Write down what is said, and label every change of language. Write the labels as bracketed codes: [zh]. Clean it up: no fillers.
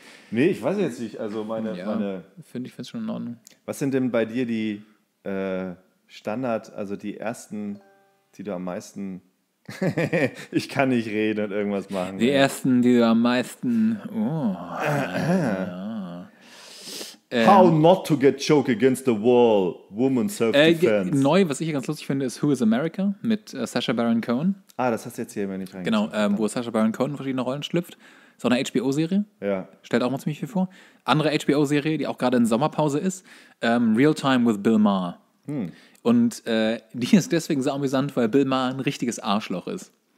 [de] Nee, ich weiß jetzt nicht. Also meine... Ja, meine finde ich, finde es schon in Ordnung. Was sind denn bei dir die Standard, also die ersten, die du am meisten... Ich kann nicht reden und irgendwas machen. Die ersten, die du am meisten... Oh, [en] How not to get choked against the wall, woman self-defense. [de] Neu, was ich hier ganz lustig finde, ist Who is America mit Sacha Baron Cohen. Ah, das hast du jetzt hier immer nicht reingezogen. Genau, wo Sacha Baron Cohen in verschiedene Rollen schlüpft. So eine HBO-Serie. Ja. Stellt auch mal ziemlich viel vor. Andere HBO-Serie, die auch gerade in Sommerpause ist, Real Time with Bill Maher. Hm. Und die ist deswegen so amüsant, weil Bill Maher ein richtiges Arschloch ist.